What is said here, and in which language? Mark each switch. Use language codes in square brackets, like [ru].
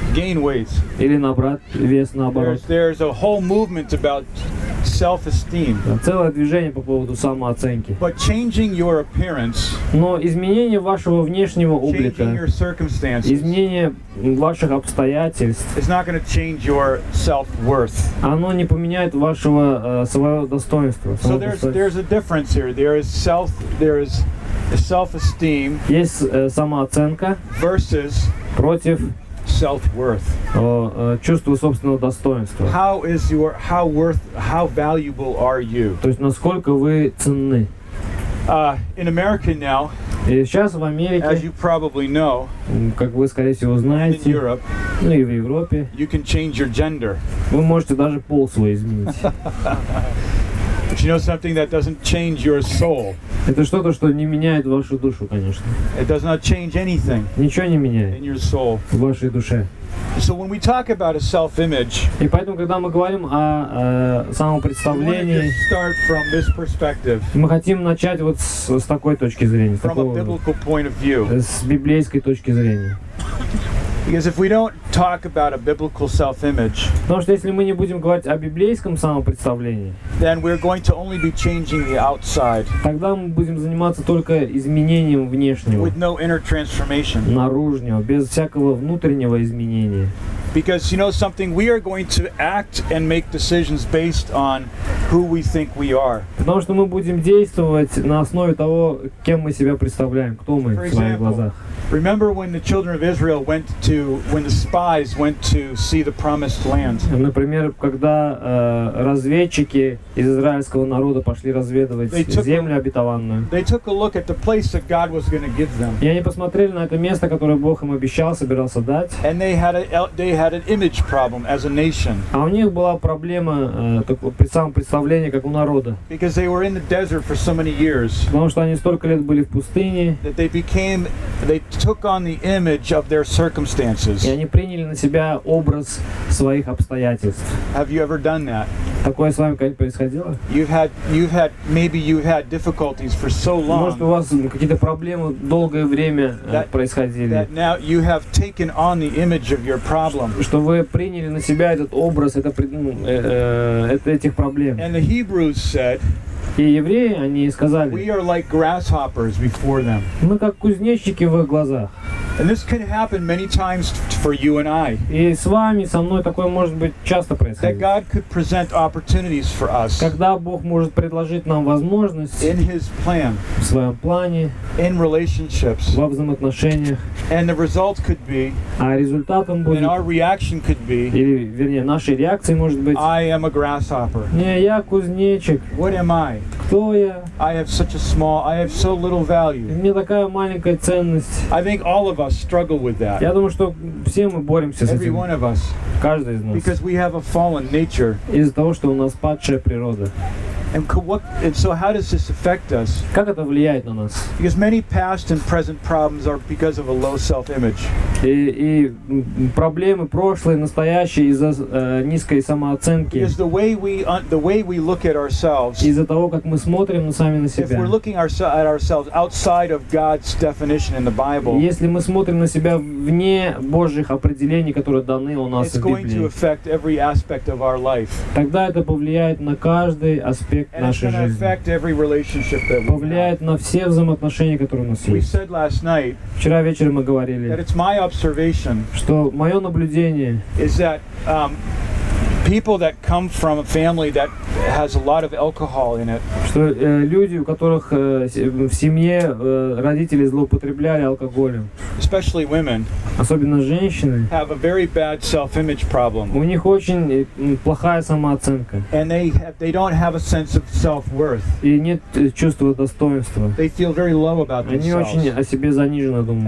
[en] Gain weight. [ru] Или набрать вес наоборот. [en] There's a whole movement about self-esteem. [ru] Целое движение по поводу самооценки. [en] But changing your appearance. [ru] Но изменение вашего внешнего облика. [en] Changing your circumstances. [ru] Изменение ваших обстоятельств. [en] It's not going to change your self-worth. [ru] Оно не поменяет вашего своего достоинства. [en] So there's a difference here. There is self-esteem. [ru] Есть самооценка. [en] Versus. [ru] Против. [en] Self-worth. [ru] Чувство собственного достоинства. [en] How valuable are you? [ru] То есть насколько вы ценны? [en] In America now. [ru] И сейчас в Америке, [en] as you probably know, [ru] как вы, скорее всего, знаете, [en] in Europe, [ru] ну и в Европе, [en] you can change your gender. [ru] Вы можете даже пол свой изменить. [en] But you know something that doesn't change your soul. [ru] Это что-то, что не меняет вашу душу, конечно. [en] It does not change anything. [ru] Ничего не меняет [en] in your soul. [ru] В вашей душе. [en] So when we talk about a self-image, [ru] и поэтому, когда мы говорим о самопредставлении, [en] start from this perspective, [ru] мы хотим начать вот с такой точки зрения, [en] from [ru] такого, [en] a biblical point of view. [ru] С библейской точки зрения. [en] Because if we don't talk about a biblical self-image, [ru] потому что если мы не будем говорить о библейском самопредставлении, [en] then we're going to only be changing the outside, [ru] тогда мы будем заниматься только изменением внешнего, [en] with no inner transformation, [ru] наружного, без всякого внутреннего изменения. [en] Because you know something, we are going to act and make decisions based on who we think we are. [ru] Потому что мы будем действовать на основе того, кем мы себя представляем, кто мы в своих глазах. [en] Remember when the children of Israel went to, when the spies went to see the promised land? [ru] Например, когда разведчики из израильского народа пошли разведывать землю обетованную. [en] They took a look at the place that God was going to give them. [ru] И они посмотрели на это место, которое Бог им обещал, собирался дать. [en] And they had an image problem as a nation. [ru] А у них была проблема представление как у народа. [en] Because they were in the desert for so many years. [ru] Потому что они столько лет были в пустыне. [en] That they took on the image of their circumstances. [ru] И они приняли на себя образ своих обстоятельств. [en] Have you ever done that? [ru] Такое с вами когда-нибудь происходило? [en] You've had difficulties for so long. [ru] Может, у вас какие-то проблемы долгое время происходили. [en] That now you have taken on the image of your problem. [ru] Что вы приняли на себя этот образ, этих проблем. [en] And the Hebrews said, [ru] и евреи, они сказали, [en] we are like grasshoppers before them. [ru] Мы как кузнечики в их глазах. [en] And this can happen many times for you and I. [ru] И с вами, со мной такое может быть часто происходить. [en] That God could present opportunities for us. [ru] Когда Бог может предложить нам возможность [en] in His plan. [ru] В своем плане. [en] In relationships. [ru] Во взаимоотношениях. [en] And the result could be. [ru] А результатом будет. [en] And our reaction could be. [ru] Или, вернее, нашей реакцией может быть. [en] I am a grasshopper. [ru] Не, я кузнечик. [en] What am I? [ru] Кто я? [en] I have such a small. I have so little value. [ru] Мне такая маленькая ценность. [en] I think all of us struggle with that. [ru] Я думаю, что все мы боремся с этим. [en] Every one of us. [ru] Каждый из нас. [en] Because we have a fallen nature. [ru] Из-за того, что у нас падшая природа. [en] And so how does this affect us? [ru] Как это влияет на нас? [en] Because many past and present problems are because of a low self-image. [ru] И проблемы прошлые, настоящие из-за низкой самооценки. [en] Because the way we look at ourselves. [ru] Из-за того, как мы смотрим сами на себя. [en] If we're looking at ourselves outside of God's definition in the Bible. [ru] Если мы смотрим на себя вне Божьих определений, которые даны у нас в Библии. [en] It's going to affect every aspect of our life. [ru] Тогда это повлияет на каждый аспект. [en] And it's going to affect every relationship that we have. [ru] Повлияет на все взаимоотношения, которые у нас есть. [en] We said last night. [ru] Вчера вечером мы говорили. [en] That it's my observation. [ru] Что мое наблюдение. [en] Is that people that come from a family that has a lot of alcohol in it. [ru] Что люди, у которых в семье родители злоупотребляли алкоголем. [en] Especially women. [ru] Особенно женщины. [en] Have a very bad self-image problem. [ru] У них очень плохая самооценка. [en] And they don't have a sense of self-worth. [ru] И нет чувства достоинства. [en] They feel very low about themselves. [ru] Они очень о себе заниженно думают.